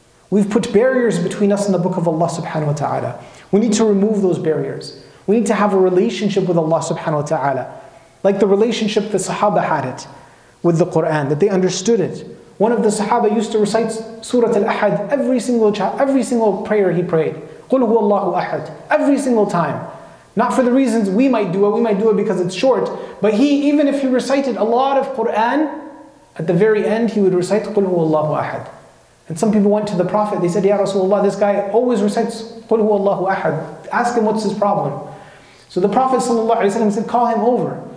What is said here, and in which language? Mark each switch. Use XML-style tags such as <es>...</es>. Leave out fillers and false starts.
<en>We've put barriers between us and the Book of Allah subhanahu wa ta'ala. We need to remove those barriers. We need to have a relationship with Allah subhanahu wa ta'ala. Like the relationship the Sahaba had it with the Qur'an, that they understood it. One of the Sahaba used to recite Surah Al-Ahad every single prayer he prayed.</en> <ar>قُلْ هُوَ اللَّهُ أَحَدٍ</ar> <en>every single time. Not for the reasons we might do it because it's short, but he, even if he recited a lot of Qur'an, at the very end he would recite</en> <ar>قُلْ هُوَ اللَّهُ أَحَدٍ.</ar> <en>And some people went to the Prophet, they said, Ya Rasulullah, this guy always recites</en> <ar>قُلْ هُوَ اللَّهُ أَحَدٍ.</ar> <en>Ask him what's his problem. So the Prophet ﷺ said, call him over.</en>